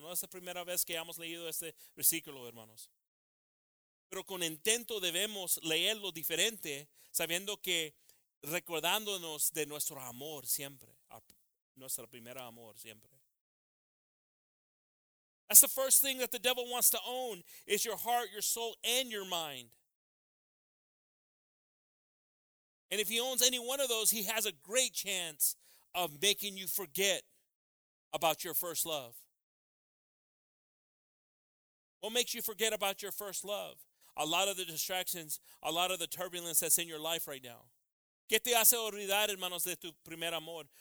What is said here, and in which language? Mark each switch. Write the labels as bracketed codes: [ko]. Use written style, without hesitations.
[es] No es la primera vez que hemos leído este versículo, hermanos. Pero con intento debemos leerlo diferente, sabiendo que recordándonos de nuestro amor siempre, nuestro primer amor siempre. [en] That's the first thing that the devil wants to own, is your heart, your soul, and your mind. And if he owns any one of those, he has a great chance of making you forget about your first love. What makes you forget about your first love? A lot of the distractions, a lot of the turbulence that's in your life right now. [es] ¿Qué te hace olvidar, hermanos, de tu primer amor?